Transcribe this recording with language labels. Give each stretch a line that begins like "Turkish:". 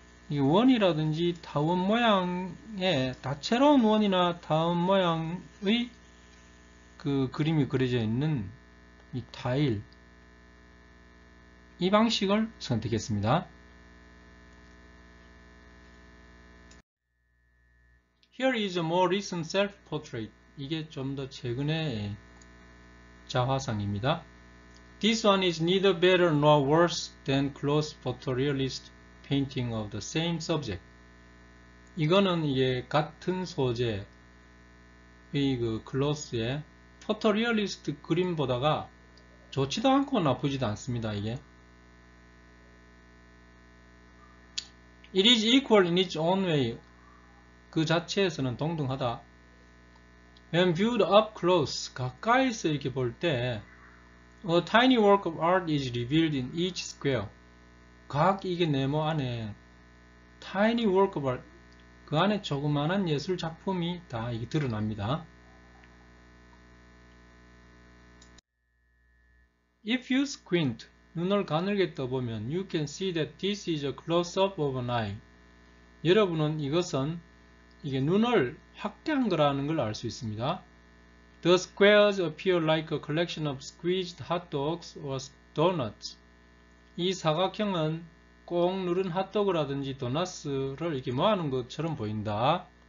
Korean: 이 원이라든지 다운 모양의 다채로운 원이나 다운 모양의 그 그림이 그려져 있는 이 타일 이 방식을 선택했습니다.
English: Here is a more recent self-portrait.
Korean: 이게 좀 더 최근의 자화상입니다.
English: This one is neither better nor worse than close photorealist painting of the same subject.
Korean: 이거는 이게 같은 소재의 그 close의 photorealist 그림보다가 좋지도 않고 나쁘지도 않습니다. 이게.
English: It is equal in its own way.
Korean: 그 자체에서는 동등하다.
English: When viewed up close,
Korean: 가까이서 이렇게 볼 때,
English: a tiny work of art is revealed in each square.
Korean: 각 이게 네모 안에
English: tiny work of art,
Korean: 그 안에 조그마한 예술 작품이 다 이게 드러납니다.
English: If you squint,
Korean: 눈을 가늘게 떠보면,
English: you can see that this is a close-up of an eye.
Korean: 여러분은 이것은 이게 눈을 확대한 거라는 걸 알 수 있습니다.
English: The squares appear like a collection of squeezed hot dogs or donuts.
Korean: 이 사각형은 꼭 누른 핫도그라든지 도넛을 이렇게 모아놓은 것처럼 보인다.